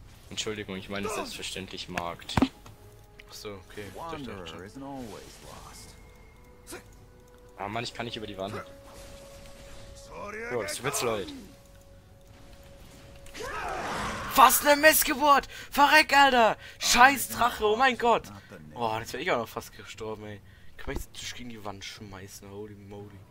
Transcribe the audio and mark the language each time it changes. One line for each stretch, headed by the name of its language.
German: Entschuldigung, ich meine selbstverständlich Markt. Achso, okay.
English: Wanderer isn't always lost.
German: Ah, Mann, ich kann nicht über die Wand. Jo, das wird's, Leute. Fast eine Missgeburt! Verreck, Alter! Scheiß Drache, oh mein Gott! Boah, jetzt wäre ich auch noch fast gestorben, ey. Kann man jetzt gegen die Wand schmeißen,
English: holy moly.